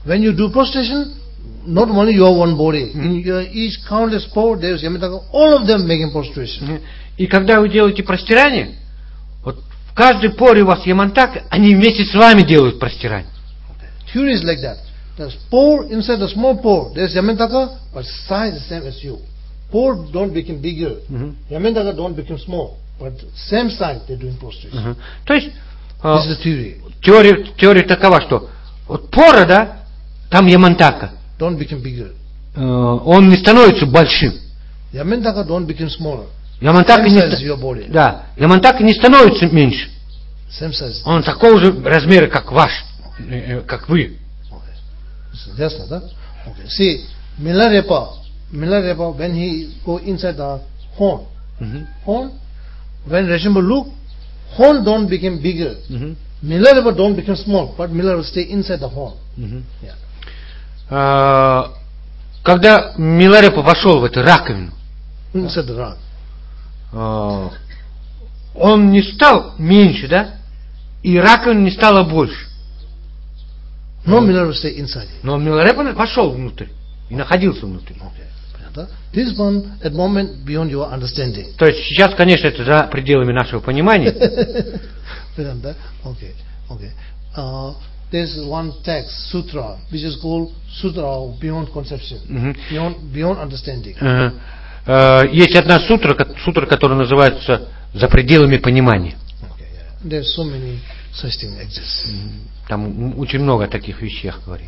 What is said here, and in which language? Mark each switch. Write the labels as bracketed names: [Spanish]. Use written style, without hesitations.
[English] When you do prostration, not only your one body. In your each countless pore there is Yamantaka. All of them making prostration. [Russian] И когда вы делаете простирание, в каждой поре у вас Yamantaka, они вместе с вами делают простирание. [English] Theory is like that. There's pore inside the small pore. There's Yamantaka, but size the same as you. Pore don't become bigger. Yamantaka don't become small. But same size they're doing prostration. [Russian] То есть, [English] this is the theory. [Russian] Теория такова, что вот пора, да, там Yamantaka. [English] Don't become bigger. [Russian] Он не становится большим. [English] Yamantaka don't become smaller. [Russian] Yamantaka не становится меньше. [English] Same size. [Russian] Он такого же размера, как ваш, как вы. Okay. Ясно, да? Okay. [English] See, Milarepa, when he go inside the horn, horn, when Rajamba look, horn don't become bigger. Milarepa don't become small, but Milarepa stay inside the horn. Yeah. [Russian] Когда Milarepa вошел в эту раковину, [English] inside the rock. [Russian] Он не стал меньше, да? И раковина не стала больше. [English] Но Milarepa stay inside. [Russian] Но Milarepa вошел внутрь и находился внутрь. [English] This one at moment beyond your understanding. [Russian] То есть сейчас, конечно, это за пределами нашего понимания. Понятно, да? Okay, okay. [English] This is one text, sutra, which is called sutra of beyond conception, beyond understanding. [Russian] Есть одна сутра, которая называется «За пределами понимания». [English] Okay, yeah. So many such things exist. [Russian] Там очень много таких вещей говорит.